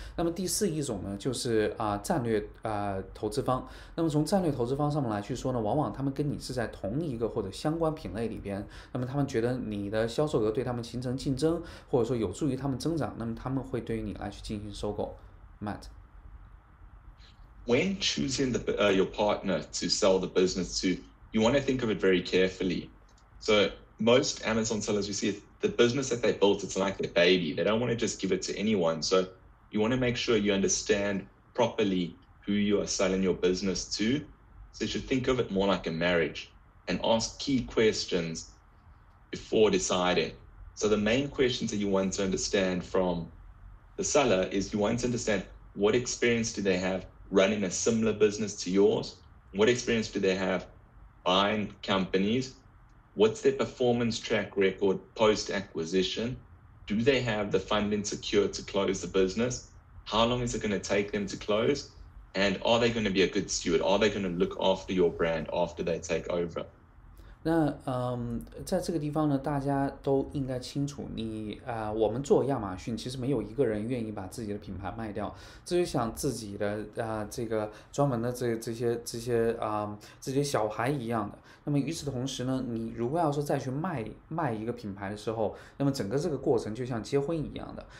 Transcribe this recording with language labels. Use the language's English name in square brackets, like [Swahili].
[Chinese] 那么第四一种呢，就是战略投资方。那么从战略投资方上面来去说呢，往往他们跟你是在同一个或者相关品类里边，那么他们觉得你的销售额对他们形成竞争，或者说有助于他们增长，那么他们会对于你来去进行收购，Matt。 [English] When choosing your partner to sell the business to, you want to think of it very carefully. So most Amazon sellers, you see, the business that they built, it's like their baby. They don't want to just give it to anyone. So you want to make sure you understand properly who you are selling your business to. So you should think of it more like a marriage and ask key questions before deciding. So the main questions that you want to understand from the seller is you want to understand What experience do they have running a similar business to yours? What experience do they have buying companies? What's their performance track record post-acquisition? Do they have the funding secure to close the business? How long is it going to take them to close? And are they going to be a good steward? Are they going to look after your brand after they take over? [Chinese] 那在这个地方呢，大家都应该清楚你，我们做亚马逊其实没有一个人愿意把自己的品牌卖掉，至于像自己的这个专门的这些自己的小孩一样的。那么与此同时呢，你如果要说再去卖一个品牌的时候，那么整个这个过程就像结婚一样的。